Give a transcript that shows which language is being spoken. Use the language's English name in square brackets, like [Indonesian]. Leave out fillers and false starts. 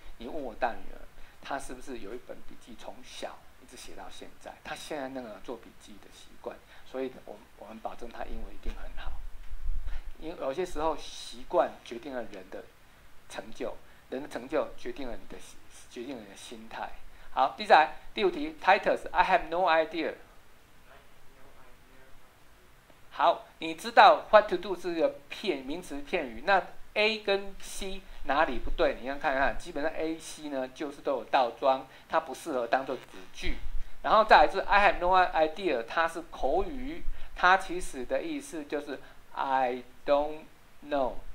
[Chinese] 你问我大女儿，她是不是有一本笔记从小一直写到现在，她现在那个做笔记的习惯，所以我们保证她英文一定很好。因为有些时候习惯决定了人的成就，人的成就决定了你的心态。好，第三第五题 Titus， [English] I have no idea。 [Chinese] 好，你知道 [English] what to do [Chinese] 是一个名词片语，那 A 跟 C 哪里不对，你要看看，基本上 A、C 呢就是都有倒装，它不适合当作子句。然后再来是 [English] I have no idea， [Chinese] 它是口语，它其实的意思就是 [English] I don't know。